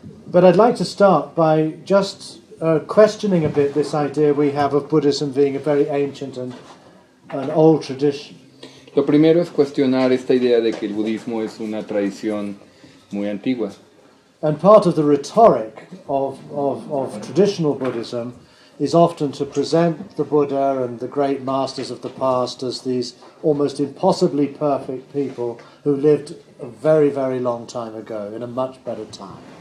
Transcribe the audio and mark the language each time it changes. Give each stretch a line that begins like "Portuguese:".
English: But I'd like to start by just questioning a bit this idea we have of Buddhism being a very ancient and an old tradition.
Spanish: Lo primero es cuestionar esta idea de que el budismo es una tradición muy antigua.
English: And part of the rhetoric of traditional Buddhism is often to present the Buddha and the great masters of the past as these almost impossibly perfect people who lived a very, very long time ago, in a much better time.